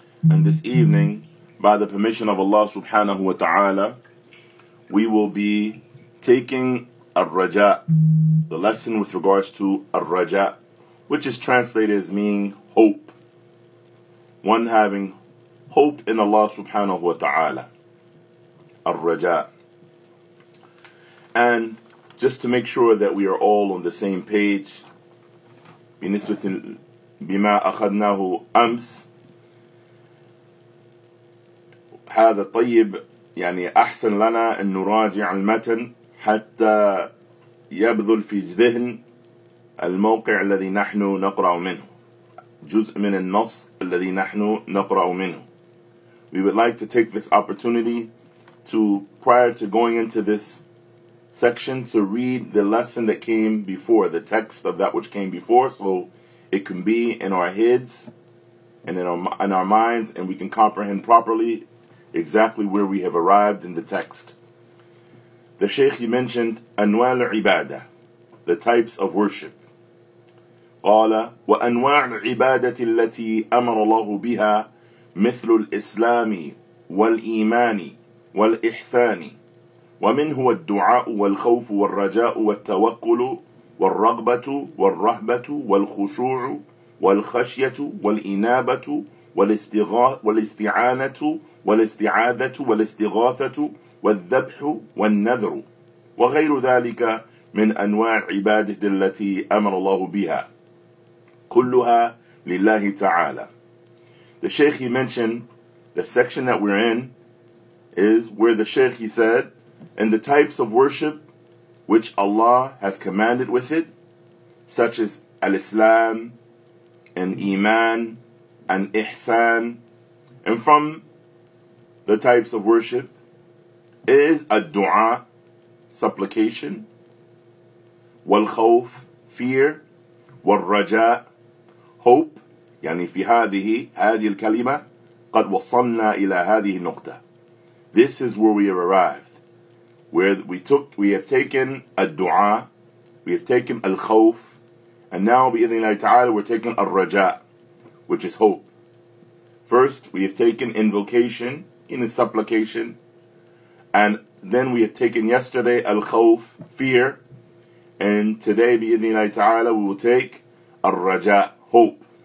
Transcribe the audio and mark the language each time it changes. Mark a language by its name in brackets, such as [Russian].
[English] And this evening, by the permission of Allah subhanahu wa ta'ala, we will be taking al-Raja, the lesson with regards to al-Raja, which is translated as meaning hope. One having hope in Allah subhanahu wa ta'ala. Al-Raja. [Arabic] And just to make sure that we are all on the same page, بِنِسْبَةٍ بِمَا أَخَذْنَاهُ أَمْسِ هَذَا طَيِّبْ يعني أحسن لنا أن نراجع المتن حتى يبذل في ذهن الموقع الذي نحن نقرأ منه جزء من النص الذي نحن نقرأ منه. [English] We would like to take this opportunity to, prior to going into this section, to read the lesson that came before, the text of that which came before, so it can be in our heads and in our minds, and we can comprehend properly exactly where we have arrived in the text. The Shaykh, he mentioned أنواع العبادة, the types of worship. [Arabic] قال وأنواع العبادة التي أمر الله بها مثل الإسلام والإيمان والإحسان ومنه الدعاء والخوف والرجاء والتوكل والرغبة والرهبة والخشوع والخشية والإنابة والاستعانة والاستعاذة والاستغاثة والذبح والنذر وغير ذلك من أنواع عبادة التي أمر الله بها كلها لله تعالى. [English] The Shaykh, he mentioned, the section that we're in is where the Shaykh, he said, and the types of worship which Allah has commanded with it, such as al-Islam, and Iman, and Ihsan, and from the types of worship is ad-du'a, supplication, wal-khawf, fear, wal-raja, hope. [Arabic] يعني في هذه الكلمة قد وصلنا إلى هذه النقطة. [English] This is where we have arrived. We have taken الدعاء, we have taken الخوف, and now بإذن الله تعالى we're taking الرجاء, which is hope. First we have taken invocation, in a supplication, and then we have taken yesterday الخوف, fear, and today بإذن الله تعالى we will take الرجاء, hope.